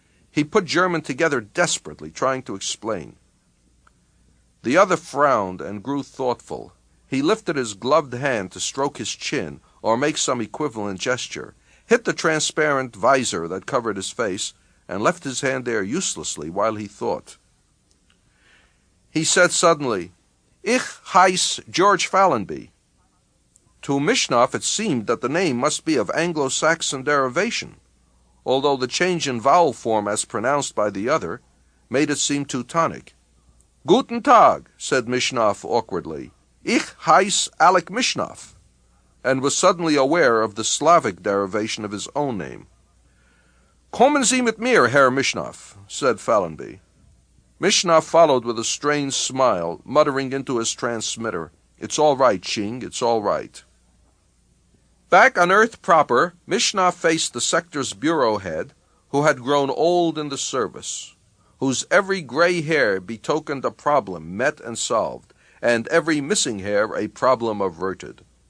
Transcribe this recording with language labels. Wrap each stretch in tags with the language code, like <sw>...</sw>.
<en>He put German together desperately, trying to explain. The other frowned and grew thoughtful. He lifted his gloved hand to stroke his chin or make some equivalent gesture, hit the transparent visor that covered his face, and left his hand there uselessly while he thought. He said suddenly,</en> <de>Ich heiße George Fallonby.</de> <en>To Mishnov it seemed that the name must be of Anglo-Saxon derivation, although the change in vowel form as pronounced by the other made it seem Teutonic.</en> <de>"Guten Tag,"</de> <en>said Mishnov awkwardly.</en> <de>"Ich heiße Alek Mishnov,"</de> <en>and was suddenly aware of the Slavic derivation of his own name.</en> <de>"Kommen Sie mit mir, Herr Mishnov," said Fallonby.</de> <en>Mishnov followed with a strained smile, muttering into his transmitter, "It's all right, Ching, it's all right." Back on Earth proper, Mishnov faced the sector's bureau head, who had grown old in the service, whose every gray hair betokened a problem met and solved, and every missing hair a problem averted.</en>